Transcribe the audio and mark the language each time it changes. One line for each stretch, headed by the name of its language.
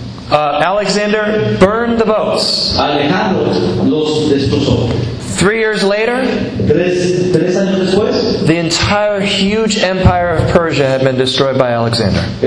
English: Alexander burned the boats.
Spanish: Alejandro los destrozó.
English: 3 years later,
Spanish: tres años después,
English: the entire huge empire of Persia had been destroyed by Alexander.